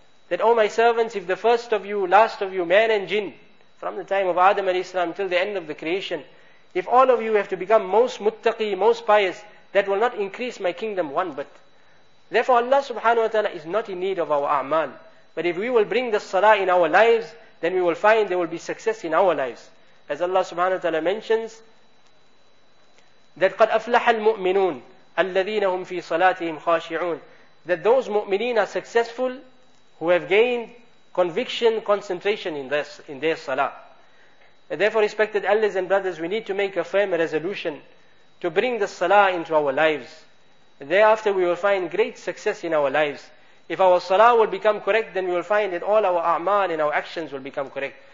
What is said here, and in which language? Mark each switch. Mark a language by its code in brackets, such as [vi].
[en] That, oh my servants, if the first of you, last of you, man and jinn, from the time of Adam alayhi salam till the end of the creation, if all of you have to become most muttaqi, most pious, that will not increase my kingdom one bit. Therefore Allah subhanahu wa ta'ala is not in need of our a'mal. But if we will bring the salah in our lives, then we will find there will be success in our lives. As Allah subhanahu wa ta'ala mentions, that [ar] قَدْ أَفْلَحَ الْمُؤْمِنُونَ الَّذِينَ هُمْ فِي صَلَاتِهِمْ خَاشِعُونَ. [en] That those mu'mineen are successful who have gained conviction, concentration in their salah. And therefore, respected elders and brothers, we need to make a firm resolution to bring the salah into our lives. Thereafter, we will find great success in our lives. If our salah will become correct, then we will find that all our a'mal and our actions will become correct.